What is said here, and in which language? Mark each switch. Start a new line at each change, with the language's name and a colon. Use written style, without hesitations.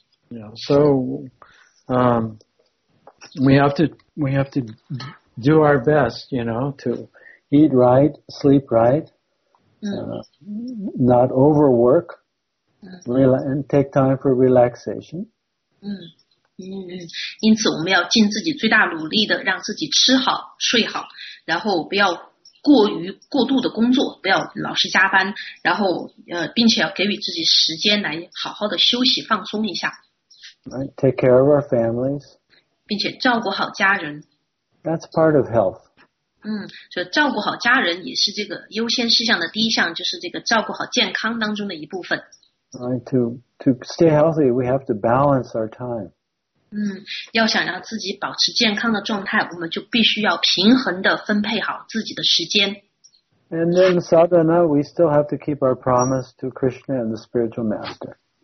English: Yeah, so, we have to do our best, you know, to eat right, sleep right, not overwork, and take time for relaxation.
Chinese: 因此我们要尽自己最大努力的让自己吃好睡好，然后不要过度的工作，不要老是加班，然后并且要给予自己时间来好好的休息放松一下。
English: Right, take care of our families.
Chinese: 并且照顾好家人。
English: That's part of health.
Chinese: 所以照顾好家人也是这个优先事项的第一项，就是这个照顾好健康当中的一部分。
English: Right, to stay healthy, we have to balance our time.
Chinese: 要想让自己保持健康的状态，我们就必须要平衡地分配好自己的时间。
English: And then sadhana, we still have to keep our promise to Krishna and the spiritual master.